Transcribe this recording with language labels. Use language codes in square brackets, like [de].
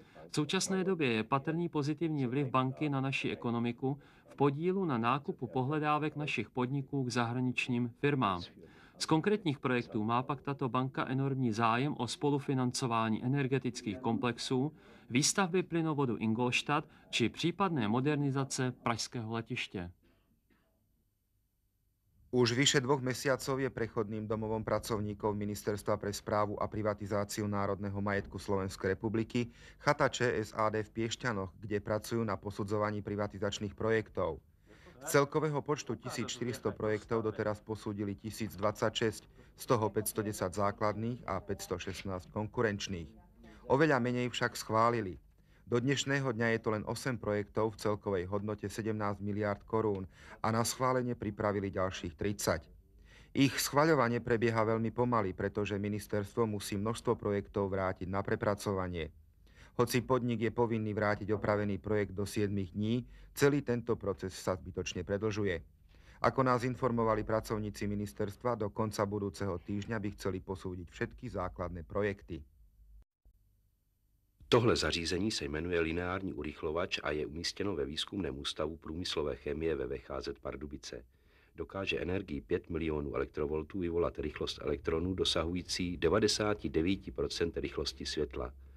[cs] V současné době je patrný pozitivní vliv banky na naši ekonomiku v podílu na nákupu pohledávek našich podniků k zahraničním firmám. Z konkrétních projektů má pak tato banka enormní zájem o spolufinancování energetických komplexů, výstavby plynovodu Ingolstadt či případné modernizace pražského letiště. [sk] Už vyše dvoch mesiacov je prechodným domovom pracovníkov Ministerstva pre správu a privatizáciu národného majetku Slovenskej republiky chata ČSAD v Piešťanoch, kde pracujú na posudzovaní privatizačných projektov. Z celkového počtu 1400 projektov doteraz posúdili 1026, z toho 510 základných a 516 konkurenčných. Oveľa menej však schválili. Do dnešného dňa je to len 8 projektov v celkovej hodnote 17 miliárd korún a na schválenie pripravili ďalších 30. Ich schvaľovanie prebieha veľmi pomaly, pretože ministerstvo musí množstvo projektov vrátiť na prepracovanie. Hoci podnik je povinný vrátiť opravený projekt do 7 dní, celý tento proces sa zbytočne predlžuje. Ako nás informovali pracovníci ministerstva, do konca budúceho týždňa by chceli posúdiť všetky základné projekty. [cs] Tohle zařízení se jmenuje lineární urychlovač a je umístěno ve výzkumném ústavu průmyslové chemie ve VCHZ Pardubice. Dokáže energii 5 milionů elektrovoltů vyvolat rychlost elektronů dosahující 99% rychlosti světla.